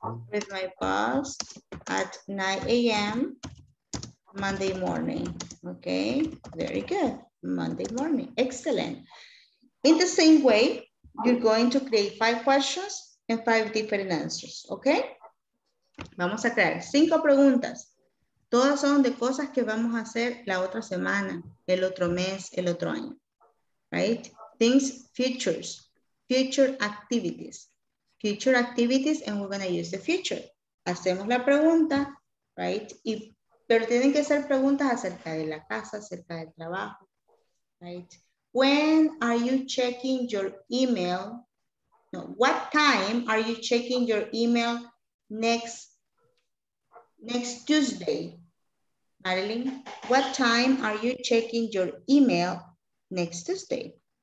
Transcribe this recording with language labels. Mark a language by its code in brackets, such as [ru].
[en] With my boss at 9 a.m. Monday morning. Okay, very good. Monday morning. Excellent. In the same way, you're going to create 5 questions and 5 different answers. [es] Okay? Vamos a crear 5 preguntas. Todas son de cosas que vamos a hacer la otra semana, el otro mes, el otro año. [en] Right? Things, futures, future activities. Future activities, and we're going to use the future. [es] Hacemos la pregunta, right? Y, pero tienen que ser preguntas acerca de la casa, acerca del trabajo. [en] Right? When are you checking your email? No, what time are you checking your email next Tuesday? Marilyn, what time are you checking your email next Tuesday?